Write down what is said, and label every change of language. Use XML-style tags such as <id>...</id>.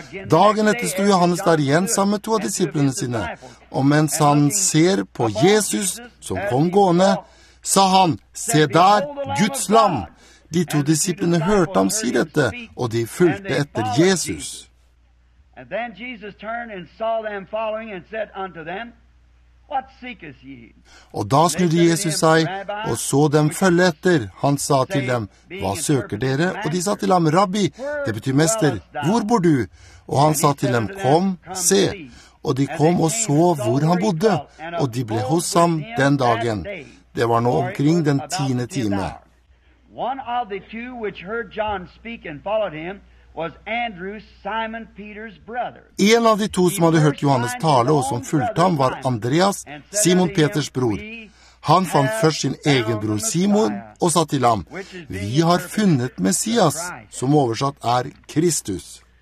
<no>Dagen etter sto Johannes der igjen sammen med to av disiplene sine, og mens han ser på Jesus som kom gående, sa han, «Se der, Guds lam!» De to disiplene hørte ham si dette, og de fulgte etter Jesus. Og da</no> <en>Jesus turned and saw them following and said unto them, What seekest ye?</en> <no>Og da snudde Jesus seg og så dem følge etter. Han sa til dem, «Hva søker dere?» Og de sa til ham, «Rabbi, det betyr mester, hvor bor du?» Og han sa til dem, «Kom, se!» Og de kom og så hvor han bodde, og de ble hos ham den dagen. Det var nå omkring den tiende time.</no> <en>One of the two which heard John speak and followed him, was Andrew, Simon Peter's brother.</en> <no>En av de to som hadde hørt Johannes tale og som fulgte ham var Andreas, Simon Peters bror. Han fant først sin egen bror Simon og sa til ham, «Vi har funnet Messias», som oversatt er Kristus.</no>